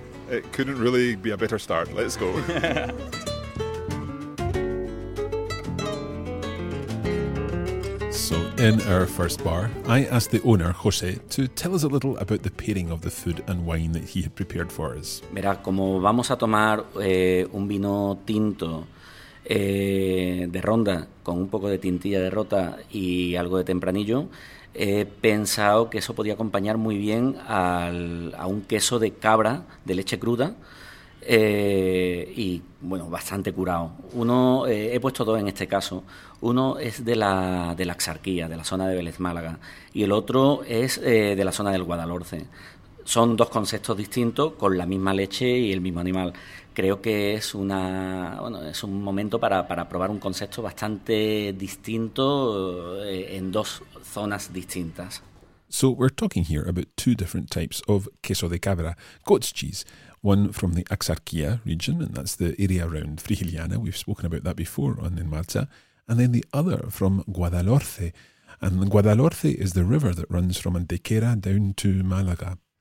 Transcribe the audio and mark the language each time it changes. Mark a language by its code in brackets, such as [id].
[en] It couldn't really be a better start. Let's go. So, in our first bar, I asked the owner, José, to tell us a little about the pairing of the food and wine that he had prepared for us. [es] Mira, como vamos a tomar un vino tinto de Ronda, con un poco de tintilla de Rota y algo de Tempranillo, he pensado que eso podía acompañar muy bien a un queso de cabra de leche cruda, y bueno, bastante curado. Uno, he puesto 2 en este caso. Uno es de la Axarquía, de la zona de Vélez Málaga, y el otro es de la zona del Guadalhorce. Son 2 conceptos distintos con la misma leche y el mismo animal. Creo que es una, bueno, es un momento para probar un concepto bastante distinto en 2 zonas distintas. [en] So we're talking here about 2 different types of queso de cabra, goat's cheese. One from the Axarquía region, and that's the area around Frigiliana. We've spoken about that before on En Marcha. And then the other from Guadalhorce, And the Guadalhorce is the river that runs from Antequera down to Málaga.